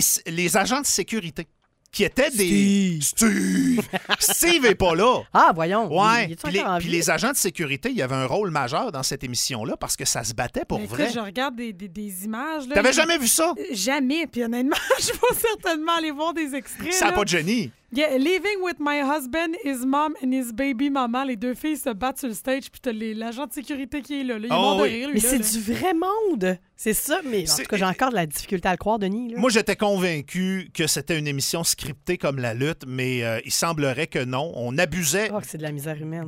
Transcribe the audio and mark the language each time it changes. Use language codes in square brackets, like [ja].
[fr] Les agents de sécurité qui étaient des... Steve est pas là. Ah, voyons. Ouais. Puis les agents de sécurité, il y avait un rôle majeur dans cette émission-là parce que ça se battait pour vrai. Je regarde des images. Là, t'avais jamais vu ça? Jamais. Puis honnêtement, je vais certainement aller voir des extraits. Ça n'a pas de génie. [en] Yeah, living with my husband, his mom and his baby mama. [fr] Les deux filles se battent sur le stage, puis t'as l'agent de sécurité qui est là. Là. Il m'en de rire, lui. Mais là, c'est là. Du vrai monde. C'est ça, mais en tout cas, j'ai encore de la difficulté à le croire, Denis. Là. Moi, j'étais convaincu que c'était une émission scriptée comme La Lutte, mais il semblerait que non. On abusait c'est de la misère humaine.